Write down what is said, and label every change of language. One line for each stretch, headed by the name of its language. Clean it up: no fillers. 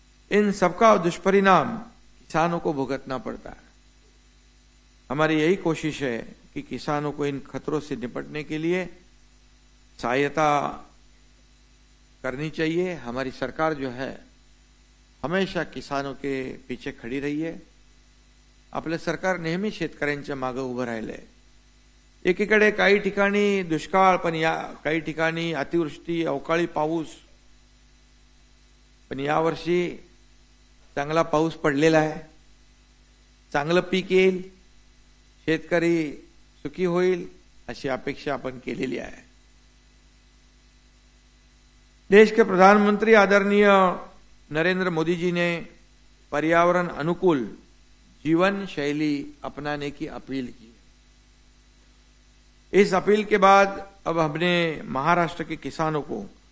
Hindi: इन सबका दुष्परिणाम किसानों को भुगतना पड़ता है. हमारी यही कोशिश है कि किसानों को इन खतरों से निपटने के लिए सहायता करनी चाहिए. हमारी सरकार जो है हमेशा किसानों के पीछे खड़ी रही है.
Marathi: आपले सरकार नेहमी शेतकऱ्यांच्या मागे उभे राहिले. एकीकडे काही ठिकाणी दुष्काळ, पण या काही ठिकाणी अतिवृष्टी, अवकाळी पाऊस, पण यावर्षी चांगला पाऊस पडलेला आहे, चांगलं पीक येईल, शेतकरी सुखी होईल अशी अपेक्षा आपण केलेली आहे.
Hindi: देश के प्रधानमंत्री आदरणीय नरेंद्र मोदीजीने पर्यावरण अनुकूल जीवन शैली अपनाने की अपील की. इस अपील के बाद अब हमने महाराष्ट्र के किसानों को